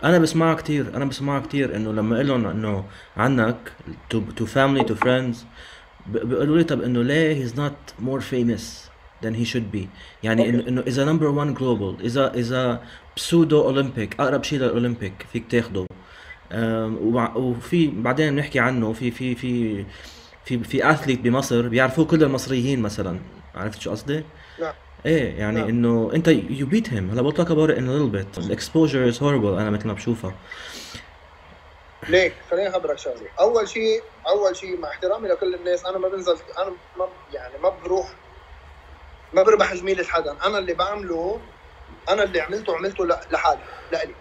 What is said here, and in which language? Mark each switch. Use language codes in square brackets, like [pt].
[ar] انا بسمعها كثير انه لما اقول لهم انه عنك [en] to family to friends [ar] بيقولوا لي طب انه ليه [en] he's not more famous than he should be، [ar] يعني okay. انه [en] is a number one global، is a pseudo olympic، [ar] اقرب شيء للاولمبيك فيك تاخده. وفي بعدين بنحكي عنه، في في في في في اثليت بمصر بيعرفوه كل المصريين مثلا، عرفت شو قصدي؟ ايه يعني لا. انه انت [en] you beat him. [ar] هلا بقول لك [en] about it in a little bit. The exposure is horrible. [ar] انا مثل ما بشوفها. ليك خليني اخبرك شغله. اول شيء مع احترامي لكل الناس، انا ما بنزل، انا ما يعني ما بروح، ما بربح جميلة حدا. انا اللي بعمله، انا اللي عملته عملته لحالي لالي.